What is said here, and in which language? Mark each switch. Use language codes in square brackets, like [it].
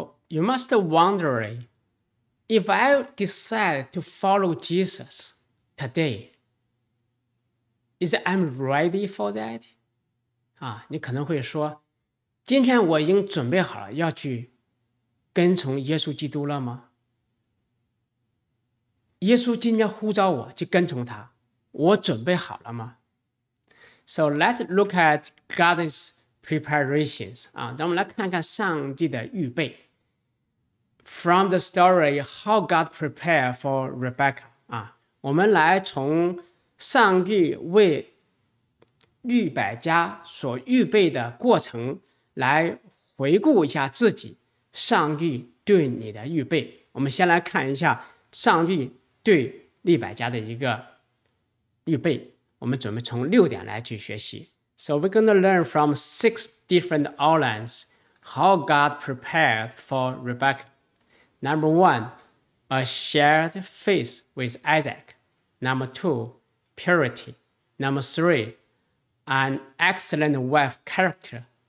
[en] You must wonder, if I decide to follow Jesus today, is I'm ready for that? [zh] 你可能会说，今天我已经准备好了要去跟从耶稣基督了吗？耶稣今天呼召我去跟从他，我准备好了吗？ [en] So let's look at God's preparations. [zh] 咱们来看看上帝的预备。 [en] From the story, how God prepared for Rebecca. [zh] 我们来从上帝为利百加所预备的过程来回顾一下自己上帝对你的预备。我们先来看一下上帝对利百加的一个预备。我们准备从六点来去学习。 [en] So we're going to learn from six different outlines how God prepared for Rebecca. Number one, a shared faith with Isaac. Number two, purity. Number three, an excellent wife character.